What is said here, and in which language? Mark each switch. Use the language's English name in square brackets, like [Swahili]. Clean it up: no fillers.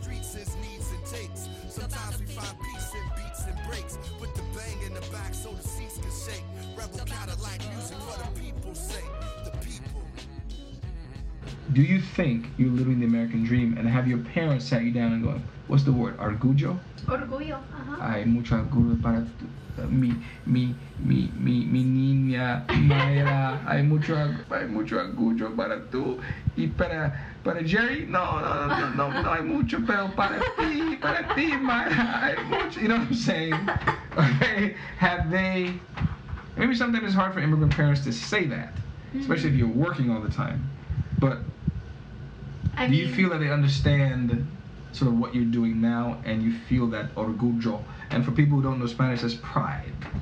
[English] Sometimes we find peace in beats and breaks, with the bang in the back so the seats can shake. rebel Cadillac music for the people, say the people. Do you think you're living the American dream and have your parents sat you down and going, what's the word, orgullo? [Spanish] Orgullo, uh-huh. Hay mucho orgullo para tu, mi niña, Mayra. hay mucho orgullo para tú y para Jerry. No, hay mucho, pero para ti, Mayra, hay mucho. [English] You know what I'm saying? Okay, have they, maybe sometimes it's hard for immigrant parents to say that, mm-hmm. especially if you're working all the time, but do you feel that they understand sort of what you're doing now, and you feel that orgullo? And for people who don't know Spanish, that's pride.